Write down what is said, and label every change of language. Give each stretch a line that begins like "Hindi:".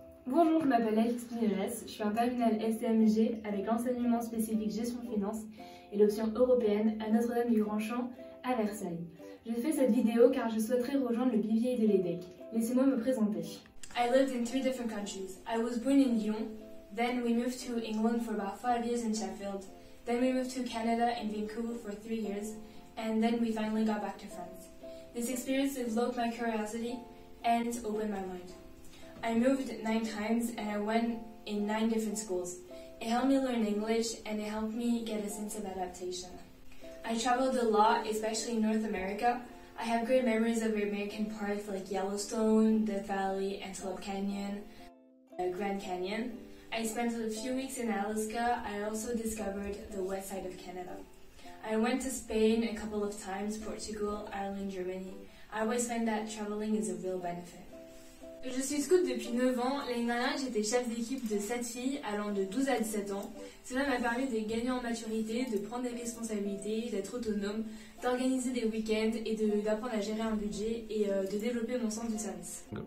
French: Bonjour, je m'appelle Alix Pinérez, je suis en terminale STMG avec l'enseignement spécifique gestion finance et l'option européenne à Notre-Dame du Grand Champ à Versailles. Je fais cette vidéo car je souhaiterais rejoindre le vivier de l'EDEC. Laissez-moi me présenter.
English: I lived in three different countries. I was born in Lyon, then we moved to England for about 5 years in Sheffield, then we moved to Canada in Vancouver for 3 years, and then we finally got back to France. This experience developed my curiosity and opened my mind. I moved 9 times and I went in 9 different schools. It helped me learn English and it helped me get a sense of adaptation. I traveled a lot, especially in North America. I have great memories of American parks like Yellowstone, Death Valley, Antelope Canyon, Grand Canyon. I spent a few weeks in Alaska. I also discovered the west side of Canada. I went to Spain a couple of times, Portugal, Ireland, Germany. I always find that traveling is a real benefit.
French: Je suis scout depuis 9 ans. L'année dernière, j'étais chef d'équipe de 7 filles allant de 12 à 17 ans. Cela m'a permis de gagner en maturité, de prendre des responsabilités, d'être autonome, d'organiser des week-ends et d'apprendre à gérer un budget et de développer mon sens du service.